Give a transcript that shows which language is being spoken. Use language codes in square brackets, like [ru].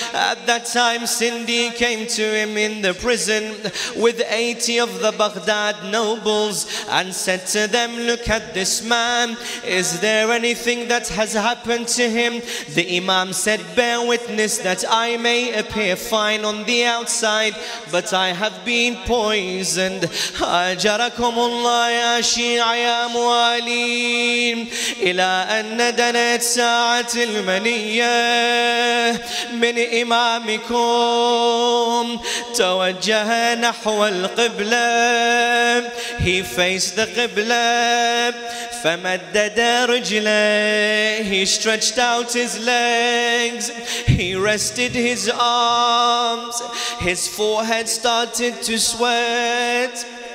[en] At that time, Sindhi came to him in the prison with 80 of the Baghdad nobles and said to them, "Look at this man. Is there anything that has happened to him?" The Imam said, "Bear witness that I may appear fine on the outside, but I have been poisoned." [ar] أجركم الله يا شيعة يا موالين. إلى أن دنت ساعة المنية من إمامكم، توجه نحو القبلة. [en] He faced the قبلة، [ar] فمدد رجليه. [en] He stretched out his legs. He rested his arms. His forehead started to sweat.